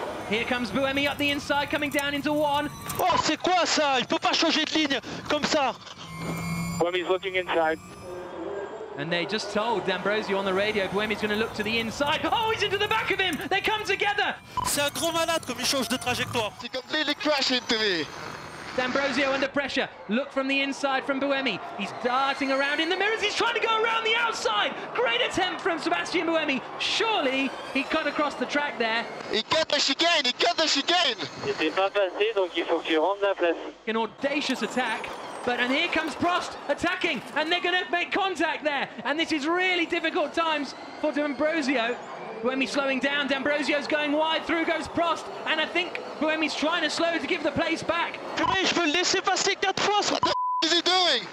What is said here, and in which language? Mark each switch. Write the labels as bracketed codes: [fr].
[en] Here comes Buemi up the inside, coming down into one. [fr] Oh, c'est quoi ça? Il peut pas changer de ligne comme ça. [en] Buemi's looking inside. And they just told D'Ambrosio on the radio, Buemi's going to look to the inside. Oh, he's into the back of him! They come together! [fr] C'est un gros malade comme il change de trajectoire. [en] He completely crashed into me. D'Ambrosio under pressure. Look from the inside from Buemi. He's darting around in the mirrors. He's trying to go around the outside. Great attempt from Sebastian Buemi. Surely he cut across the track there. He cut us again. He cut us again. [fr] C'était pas passé, donc il faut qu'il rende la place. [en] An audacious attack. And here comes Prost attacking, and they're going to make contact there. And this is really difficult times for D'Ambrosio. Buemi's slowing down. D'Ambrosio's going wide. Through goes Prost. And I think Buemi's trying to slow to give the place back. What the f*** is he doing?